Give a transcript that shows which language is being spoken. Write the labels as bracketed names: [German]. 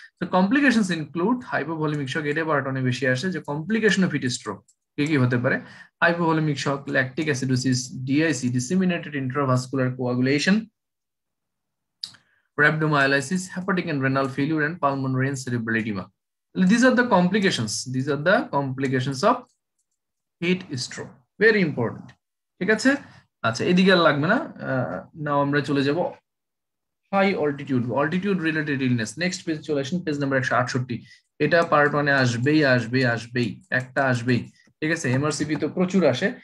[English] তো complication include hypovolemic shock, [Bangla] এটা part অনেক বেশি আসে যে [English] complication of heat stroke [Bangla] কি কি হতে পারে, [English] Hypovolemic shock, lactic acidosis, DIC, disseminated intravascular coagulation, rhabdomyolysis, hepatic and renal failure, and pulmonary cerebral edema. These are the complications. These are the complications of heat stroke. Very important. [Bangla] ঠিক আছে? আচ্ছা, এদিকে আর লাগবে না। নাও আমরা চলে যাব high altitude, altitude related illness. [English] Next page [Bangla] চলে আসুন, [English] page number 168. [Bangla] এটা part 1 এ আসবেই আসবেই আসবেই, একটা আসবেই। ঠিক আছে, MRCP তো প্রচুর আসে।